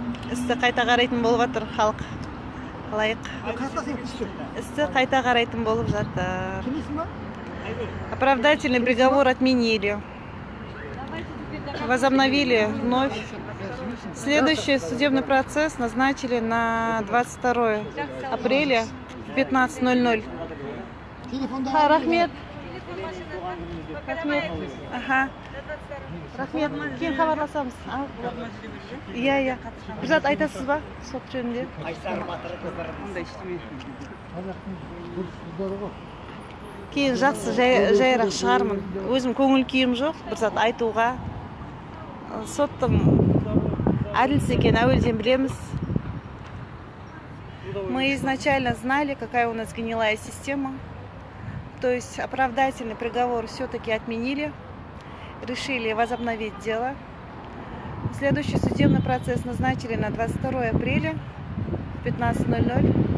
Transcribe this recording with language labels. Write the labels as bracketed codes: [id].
[kk] Істі қайта қарайтын болып жатыр халық. Істі қайта қарайтын болып жатыр. [ru] Оправдательный приговор отменили. Возобновили вновь. Следующий судебный процесс назначили на 22 апреля в 15:00. [kk] Рахмет. Рахмет. Ага. Рахмет. Кейін хабарласамыз. Я. Бұзат айтасыз ба? Сот жөнінде. Кейін жақсы жайырақ шығармын. Өзім көңіл күйім жоқ, бір зат айтуға. Соттым әділіс екен, әуелден білеміз. [ru] Мы изначально знали, какая у нас гнилая система. То есть оправдательный приговор все-таки отменили. Решили возобновить дело. Следующий судебный процесс назначили на 22 апреля в 15:00.